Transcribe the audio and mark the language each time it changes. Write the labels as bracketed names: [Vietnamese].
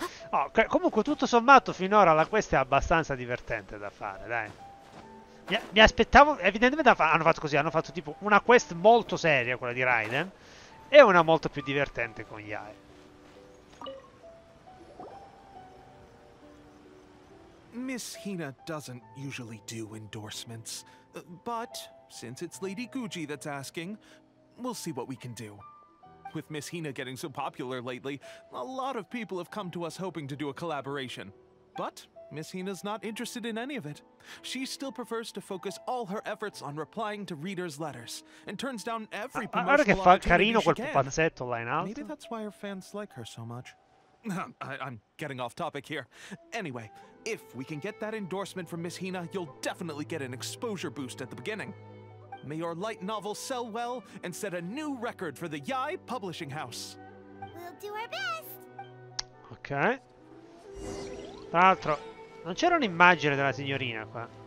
[Italian] Oh, comunque tutto sommato finora la quest è abbastanza divertente da fare, dai. Mi aspettavo, evidentemente hanno fatto così, hanno fatto tipo una quest molto seria, quella di Raiden, e una molto più divertente con Yae. [English] Miss Hina doesn't usually do endorsements, but since it's Lady Guji that's asking, we'll see what we can do. With Miss Hina getting so popular lately, a lot of people have come to us hoping to do a collaboration. But Miss Hina's not interested in any of it. She still prefers to focus all her efforts on replying to readers' letters and turns down every promotional opportunity she can. [Italian] Guarda che fa carino quel pupazzetto là in alto. [English] Maybe that's why her fans like her so much. I'm getting off topic here. Anyway, if we can get that endorsement from Miss Hina, you'll definitely get an exposure boost at the beginning. May your light novel sell well and set a new record for the Yae Publishing House. We'll do our best. Ok. [Italian] Tra l'altro, non c'era un'immagine della signorina qua.